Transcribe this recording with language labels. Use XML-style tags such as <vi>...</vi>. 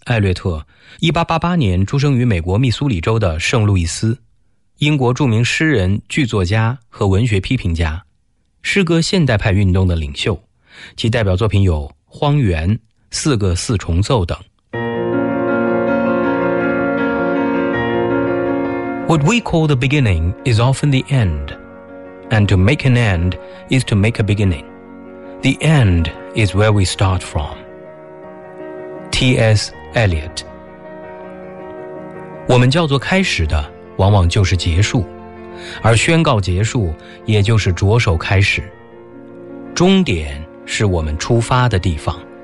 <zh>艾略特，1888年出生于美国密苏里州的圣路易斯，英国著名诗人、剧作家和文学批评家，诗歌现代派运动的领袖，其代表作品有《荒原》《四个四重奏》等。</zh> <en>What we call the beginning is often the end, and to make an end is to make a beginning. The end is where we start from. T.S. Eliot。</en> <zh>我们叫做开始的往往就是结束，而宣告结束也就是着手开始，终点是我们出发的地方。</zh>